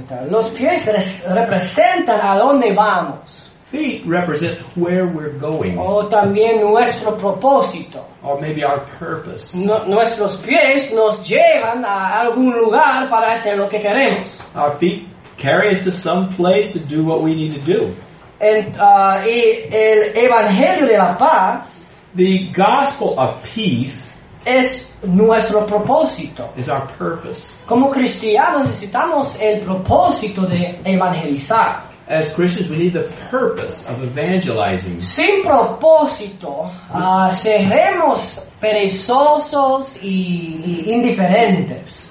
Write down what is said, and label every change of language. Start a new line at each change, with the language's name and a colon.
Spanish: Los pies representan a donde vamos.
English: Feet represent where we're going.
Spanish: O también nuestro propósito.
English: Or maybe our purpose.
Spanish: Nuestros pies nos llevan a algún lugar para hacer lo que queremos.
English: Our feet carry us to some place to do what we need to do.
Spanish: Y el Evangelio de la Paz.
English: The Gospel of Peace.
Spanish: Es nuestro propósito.
English: Is our purpose.
Spanish: Como cristianos necesitamos el propósito de evangelizar.
English: as Christians, we need the purpose of evangelizing.
Spanish: Sin propósito, seremos perezosos y indiferentes.